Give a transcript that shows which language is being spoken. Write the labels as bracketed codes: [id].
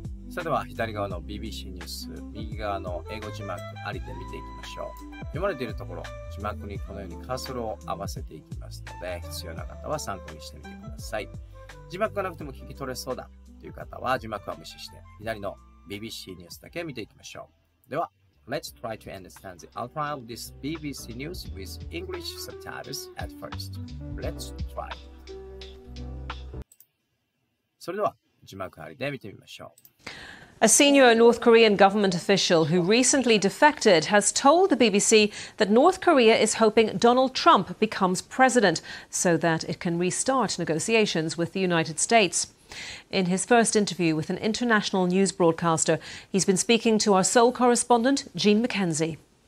[ja] それでは左側の BBC ニュース右側の英語字幕ありで見ていきましょう。読まれているところ字幕にこのようにカーソルを合わせていきますので必要な方は参考にしてみてください。字幕がなくても聞き取れそうだという方は字幕は無視して左の BBC ニュースだけ見ていきましょう。 [en] では Let's try to understand the outline of this BBC news with English subtitles at first. Let's try. [ja] それでは字幕ありで見てみましょう。 [en] A senior North Korean government official who recently defected has told the BBC that North Korea is hoping Donald Trump becomes president so that it can restart negotiations with the United States. In his first interview with an international news broadcaster, he's been speaking to our Seoul correspondent, Jean McKenzie.